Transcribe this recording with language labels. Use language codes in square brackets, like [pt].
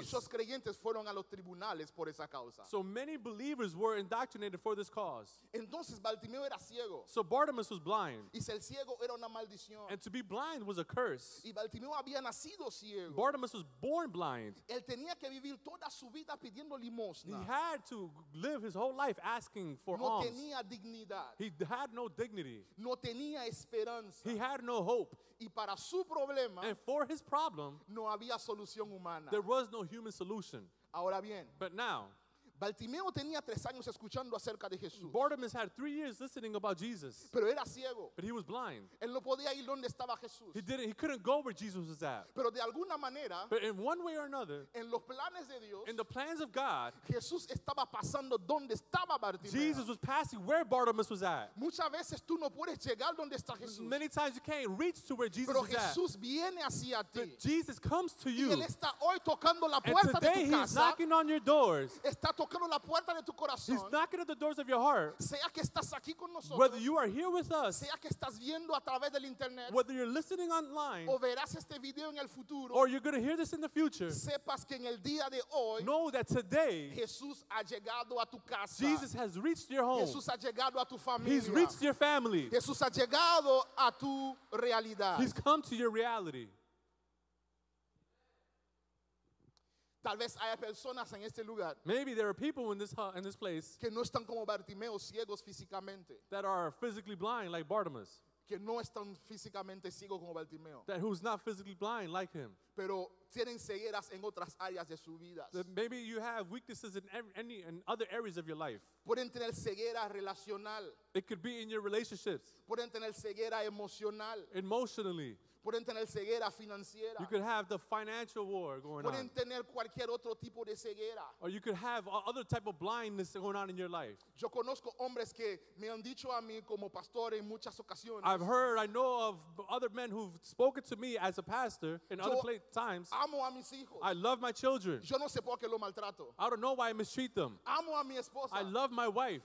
[es] Y muchos creyentes fueron a los tribunales por esa causa. [en] So many believers were indoctrinated for this cause. [es] Entonces, Bartimeo era ciego. [en] So Bartimeo was blind. [es] Y ser ciego era una maldición. [en] And to be blind was a curse. [es] Y Bartimeo había nacido ciego. [en] Bartimeo was born blind. [es] Él tenía que vivir toda su vida pidiendo limosna. [en] He had to live his whole life asking for [es] no [en] alms. [es] No tenía dignidad. [en] He had no dignity. [es] No tenía esperanza. [en] He had no hope. [es] Y para su problema, [en] and for his problem, [es] no había solución humana. [en] There was no human solution. [es] Ahora bien, [en] but now, [es] Bartimeo tenía 3 años escuchando acerca de Jesús. [en] Bartimaeus had 3 years listening about Jesus. [es] Pero era ciego. [en] But he was blind. [es] Él no podía ir donde estaba Jesús. [en] He couldn't go where Jesus was at. [es] Pero de alguna manera, [en] but in one way or another, [es] en los planes de Dios, [en] in the plans of God, [es] Jesús estaba pasando donde estaba Bartimeo. [en] Jesus was passing where Bartimaeus was at. [es] Muchas veces tú no puedes llegar donde está Jesús. [en] Many times you can't reach to where Jesus [es] Pero [en] is [es] Jesús Pero Jesús viene hacia ti. [en] But Jesus comes to you. [es] Y él está hoy tocando la puerta de tu [en] And today he's knocking on your doors. [es] Está tocando la puerta de tu corazón. [en] He's knocking at the doors of your heart. [es] Sea que estás aquí con nosotros, [en] whether you are here with us, [es] sea que estás viendo a través del internet, [en] whether you're listening online, [es] o verás este video en el futuro, [en] or you're going to hear this in the future, [es] sepas que en el día de hoy, [en] know that today [es] Jesús ha llegado a tu casa. [en] Jesus has reached your home. [es] Jesús ha llegado a tu familia. [en] He's reached your family. [es] Jesús ha llegado a tu realidad. [en] He's come to your reality. [es] Tal vez haya personas en este lugar. [en] Maybe there are people in this place [es] que no están como Bartimeo, ciegos físicamente. [en] That are physically blind like Bartimaeus. [es] Que no están físicamente ciegos como Bartimeo. [en] That who's not physically blind like him. [es] Pero tienen cegueras en otras áreas de su vida. [en] Maybe you have weaknesses in other areas of your life. [es] Pueden tener ceguera relacional. [en] It could be in your relationships. [es] Pueden tener ceguera emocional. [en] Emotionally. [es] Pueden tener ceguera financiera. [en] You could have the financial war going [es] Pueden [en] on. [es] Pueden tener cualquier otro tipo de ceguera. [en] Or you could have other type of blindness going on in your life. [es] Yo conozco hombres que me han dicho a mí como pastor en muchas ocasiones. [en] I've heard, I know of other men who've spoken to me as a pastor in [es] Yo [en] other times. [es] Amo a mis hijos. [en] I love my children. [es] Yo no sé por qué lo maltrato. [en] I don't know why I mistreat them. [es] Amo a mi esposa. [en] I love my wife.